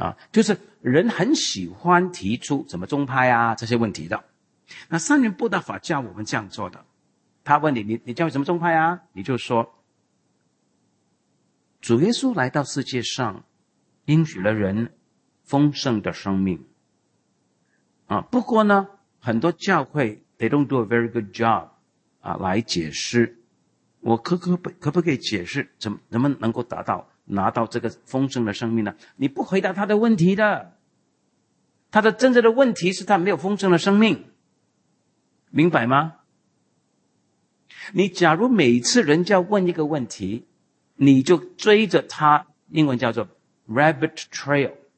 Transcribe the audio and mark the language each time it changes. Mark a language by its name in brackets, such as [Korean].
[Chinese] 就是人很喜欢提出什么宗派啊这些问题的。那三元布道法教我们这样做的。他问你你教会什么宗派啊，你就说主耶稣来到世界上应许了人丰盛的生命。不过呢很多教会 [English] they don't do a very good job, [Chinese] 来解释。我可不可以解释怎么能够拿到这个丰盛的生命呢？你不回答他的问题的。他的真正的问题是他没有丰盛的生命。明白吗？你假如每次人家问一个问题，你就追着他，英文叫做 rabbit trail。